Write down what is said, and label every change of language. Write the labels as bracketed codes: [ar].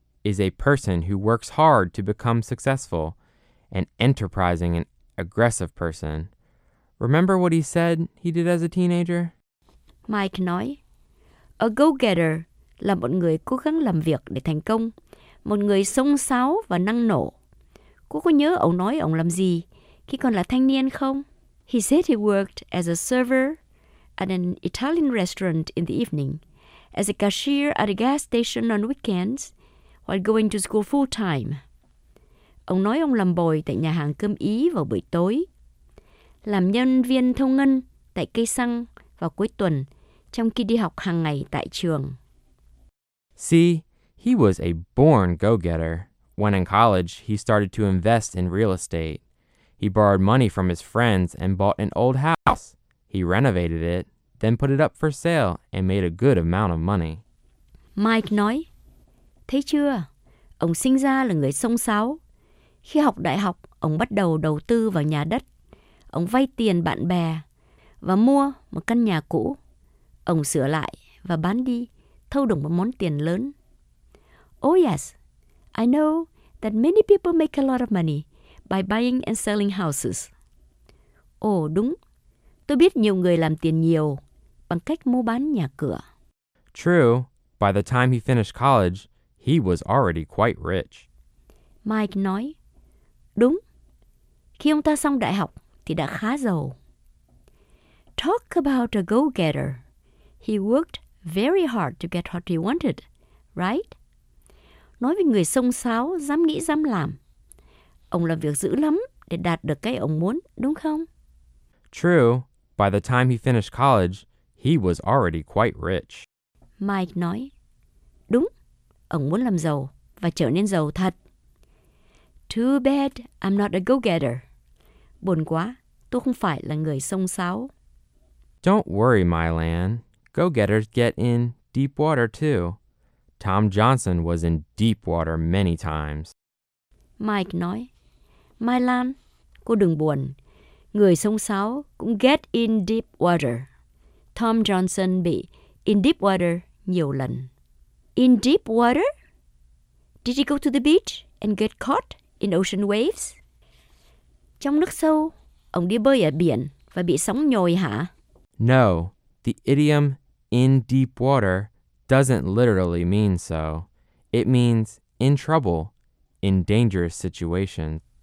[en] Is a person who works hard to become successful, an enterprising and aggressive person. Remember what he said he did as a teenager? [vi] Mike nói, a go-getter là một người cố gắng làm việc để thành công, một người xông xáo và năng nổ. Cô có nhớ ông nói ông làm gì khi còn là thanh niên không? [en] He said he worked as a server at an Italian restaurant in the evening, as a cashier at a gas station on weekends, while going to school full time. [vi] Ông nói ông làm bồi tại nhà hàng cơm Ý vào buổi tối, làm nhân viên thông ngân tại cây xăng vào cuối tuần, trong khi đi học hàng ngày tại trường. [en] See, he was a born go-getter. When in college, he started to invest in real estate. He borrowed money from his friends and bought an old house. He renovated it, then put it up for sale and made a good amount of money. [vi] Mike nói, thấy chưa? Ông sinh ra là người xông xáo. Khi học đại học, ông bắt đầu đầu tư vào nhà đất. Ông vay tiền bạn bè và mua một căn nhà cũ. Ông sửa lại và bán đi, thâu được một món tiền lớn. [en] Oh yes, I know that many people make a lot of money by buying and selling houses. [vi] Ồ, đúng. Tôi biết nhiều người làm tiền nhiều bằng cách mua bán nhà cửa. [en] True, by the time he finished college, he was already quite rich. [vi] Mike nói, đúng, khi ông ta xong đại học thì đã khá giàu. [en] Talk about a go-getter. He worked very hard to get what he wanted, right? [vi] Nói về người xông xáo, dám nghĩ dám làm. Ông làm việc dữ lắm để đạt được cái ông muốn, đúng không? [en] True, by the time he finished college, he was already quite rich. [vi] Mike nói, đúng. Ông muốn làm giàu và trở nên giàu thật. [en] Too bad I'm not a go-getter. [vi] Buồn quá, tôi không phải là người xông xáo. [en] Don't worry, Mylan. Go-getters get in deep water too. Tom Johnson was in deep water many times. [vi] Mike nói, Mylan, cô đừng buồn. Người xông xáo cũng [en] get in deep water. [vi] Tom Johnson bị [en] in deep water [vi] nhiều lần. [en] In deep water? Did he go to the beach and get caught in ocean waves? [vi] Trong nước sâu, ông đi bơi ở biển và bị sóng nhồi hả? [en] No, the idiom in deep water doesn't literally mean so. It means in trouble, in dangerous situations.